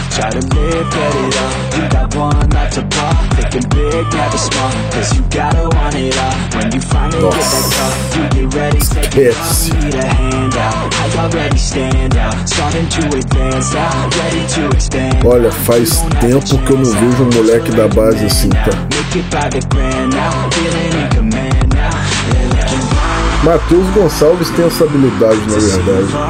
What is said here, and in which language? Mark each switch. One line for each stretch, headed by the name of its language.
English: Try to live, get it up, you got one life to pop. Thinking big, never small, cause you gotta want it all. When you finally get that cup, you get ready, take it off. Need a hand out, I already stand out. Starting to advance now, ready to expand.
Portuguese: Olha, faz tempo que eu não vejo um moleque da base assim, tá?
English: Make it by the grand now, feeling in command now.
Portuguese: Matheus Gonçalves tem essa habilidade, na verdade.